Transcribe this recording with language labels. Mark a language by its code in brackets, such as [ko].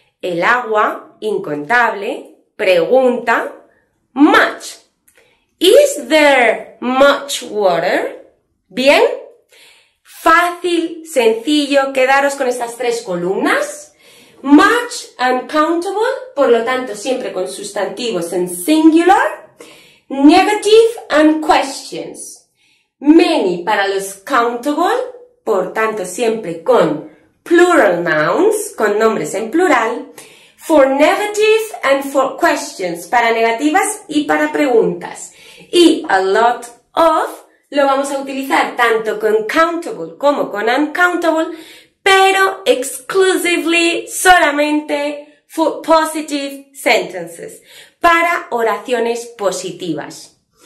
[es] El agua, incontable, pregunta, much. [en] Is there much water? ¿Bien? [es] Fácil, sencillo, quedaros con estas tres columnas. [en] Much and countable, [es] por lo tanto siempre con sustantivos en singular. [en] Negative and questions. [es] Many para los countable, por tanto siempre con plural nouns, con nombres en plural. [en] For negative and for questions, [es] para negativas y para preguntas. Y a lot of lo vamos a utilizar tanto con countable como con uncountable, pero exclusively, solamente [en] for positive sentences, [es] para oraciones positivas.